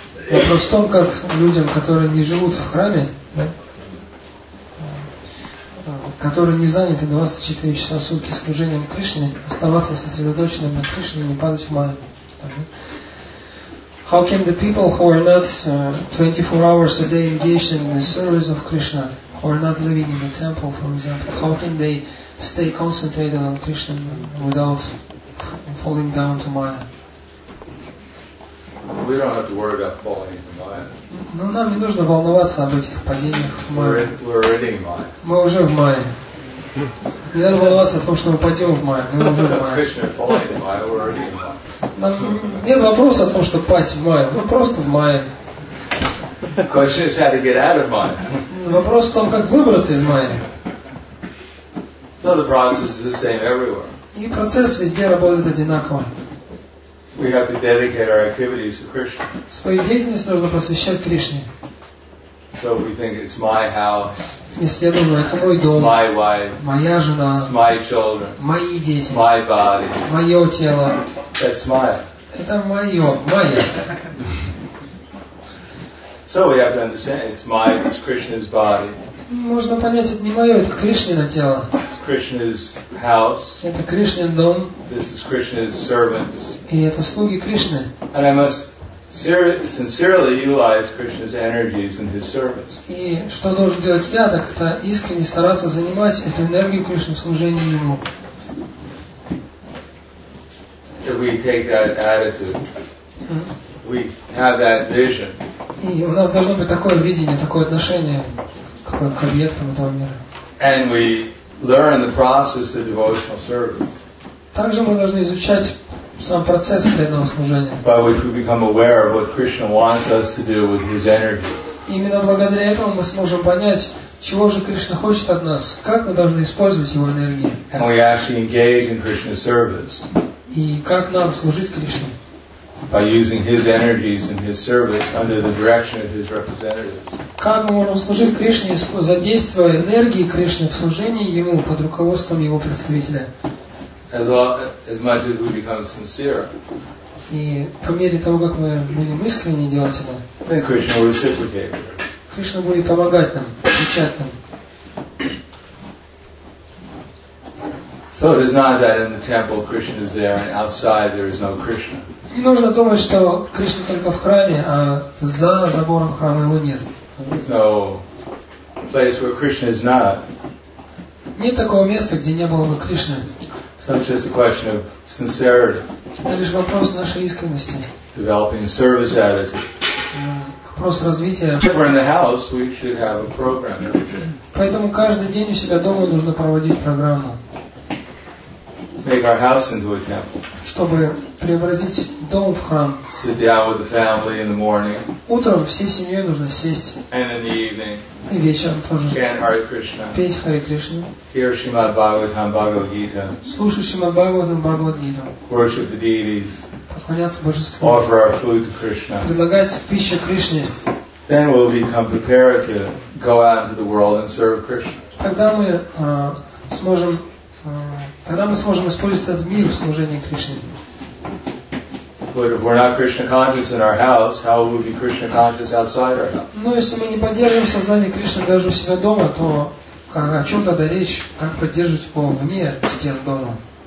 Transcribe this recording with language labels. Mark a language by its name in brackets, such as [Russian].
[Russian] Вопрос в том, как людям, которые не живут в храме, которые не заняты 24 часа в сутки служением Кришне, оставаться сосредоточенным на Кришне и не падать в маю. [English] How can the people who are not 24 hours a day engaged in the service of Krishna, or not living in a temple, for example, how can they stay concentrated on Krishna without falling down to Maya? We don't have to worry about falling into Maya. [Russian] Ну, нам не нужно волноваться об этих падениях в мае. Мы уже в мае. Не надо волноваться о том, что мы пойдем в мае. Мы уже в мае. Нам нет вопроса о том, что пасть в мае. Мы просто в мае. Вопрос в том, как выбраться из мая. [English] So the process is the same everywhere. [Russian] И процесс везде работает одинаково. [English] We have to dedicate our activities to Krishna. [Russian] Свою деятельность нужно посвящать Кришне. [English] So if we think it's my house. [Russian] Если я думаю, это мой дом. [English] It's my wife. [Russian] Моя жена. [English] It's my children. [Russian] Мои дети. [English] It's my body. [Russian] Мое тело. [English] That's my. [Russian] Это мое, моя. [English] So we have to understand it's my, it's Krishna's body. [Russian] Можно понять, это не мое, это Кришнино тело. [English] It's Krishna's house. [Russian] Это Кришнин дом. [English] This is Krishna's servants. [Russian] И это слуги Кришны. [English] And I must sincerely utilize Krishna's energies in his service. [Russian] И что должен делать я, так это искренне стараться занимать эту энергию Кришны в служении ему. [English] If we take that attitude, we have that vision. [Russian] И у нас должно быть такое видение, такое отношение к объектам этого мира. [English] And we learn the process of devotional service. [Russian] Также мы должны изучать сам процесс преданного служения. [English] By which we become aware of what Krishna wants us to do with His energy. [Russian] Именно благодаря этому мы сможем понять, чего же Кришна хочет от нас, как мы должны использовать Его энергии. [English] And we actually engage in Krishna's service. [Russian] И как нам служить Кришне? [English] By using His energies and His service under the direction of His representatives. [Russian] Как мы можем служить Кришне, задействуя энергии Кришны в служении Ему под руководством Его представителя? [English] As much as we become sincere. [Russian] И по мере того, как мы будем искренне делать это, [English] then Krishna will reciprocate. [Russian] Кришна будет помогать нам, отвечать нам. [English] So it is not that in the temple Krishna is there and outside there is no Krishna. [Russian] Не нужно думать, что Кришна только в храме, а за забором храма его нет. [English] No place where Krishna is not. [Russian] Нет такого места, где не было бы Кришны. [English] So it's just a question of sincerity. [Russian] Это лишь вопрос нашей искренности. [English] Developing a service attitude. [Russian] Вопрос развития. [English] If we're in the house, we should have a program. [Russian] Поэтому каждый день у себя дома нужно проводить программу. [English] Make our house into a temple. [Russian] Чтобы преобразить дом в храм. [English] Sit down with the family in the morning. [Russian] Утром всей семьей нужно сесть. [English] And in the evening. [Russian] И вечером тоже. [English] Chant Hare Krishna. [Russian] Петь Харе Кришну. [English] Hear Shrimad Bhagavatam Bhagavad Gita. [Russian] Слушать Shrimad Bhagavatam Bhagavad Gita. [English] Worship the deities. [Russian] Поклоняться божеству. [English] Offer our food to Krishna. [Russian] Предлагать пищу Кришне. [English] Then we'll become prepared to go out into the world and serve Krishna. [Russian] Тогда мы сможем. Тогда мы сможем использовать этот мир в служении Кришне. [English] But if we're not Krishna conscious in our house, how will we be Krishna conscious outside our house? [Russian] Но если мы не поддерживаем сознание Кришны даже у себя дома, то о чем тогда речь? Как поддерживать его вне стен дома?